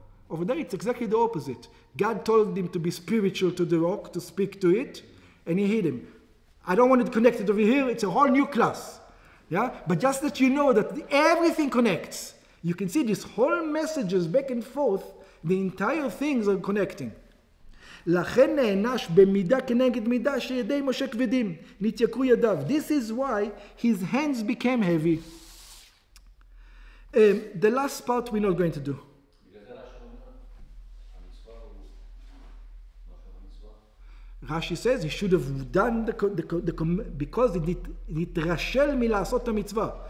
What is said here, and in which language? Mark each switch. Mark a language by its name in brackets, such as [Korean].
[English] Over there, it's exactly the opposite. God told him to be spiritual to the rock, to speak to it, and he hit him. I don't want it connected over here. It's a whole new class. Yeah? But just that you know that everything connects. You can see these whole messages back and forth. The entire things are connecting. [Hebrew] לכן נענש במידה כנגד מידה שידי משה כבדים נתייקרו ידיו. [English] This is why his hands became heavy. The last part we're not going to do. Rashi says he should have done because he [Hebrew] נתרשל מלעשות המצווה.